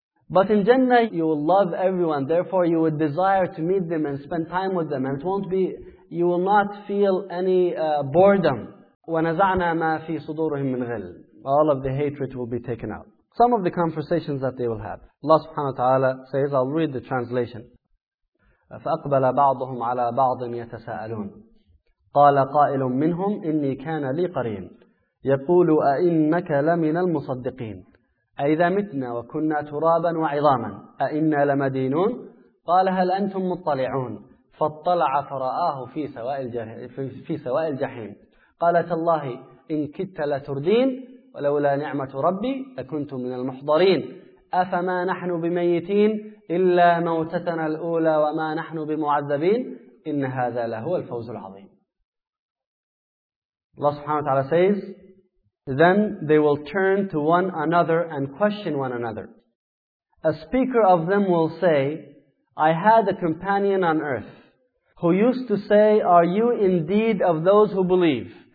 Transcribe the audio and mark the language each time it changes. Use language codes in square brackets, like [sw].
[en] But in Jannah, you will love everyone. Therefore, you would desire to meet them and spend time with them. And it won't be, you will not feel any boredom. [ar] وَنَزَعْنَا مَا فِي صُدُورِهِمْ مِنْ غِلٍ. [en] All of the hatred will be taken out. Some of the conversations that they will have. Allah subhanahu wa ta'ala says, I'll read the translation. [ar] فَأَقْبَلَ بَعْضُهُمْ عَلَىٰ بَعْضٍ يَتَسَأَلُونَ قَالَ قَائِلٌ مِّنْهُمْ إِنِّي كَانَ لِي قَرِينٌ يَقُولُ أَإِنَّكَ لَمِنَ الْمُصَدِّقِينَ أَإِذَا مِتْنَا وَكُنَّا تُرَابًا وَعِظَامًا أَإِنَّا لَمَدِينُونَ قَالَ هَلْ أَنْتُمْ مُطَّلِعُونَ فَاطَّلَعَ فَرَآهُ فِي سَوَاءِ الْجَحِيمِ قَالَ تَاللَّهِ إِن كِدْتَ لَتُرْدِينَ ولولا نعمة ربي لكنت من المحضرين أفما نحن بميتين إلا موتتنا الأولى وما نحن بمعذبين إن هذا لهو الفوز العظيم. [en] Allah subhanahu wa ta'ala says, then they will turn to one another and question one another. A speaker of them will say, I had a companion on earth who used to say, are you indeed of those who believe?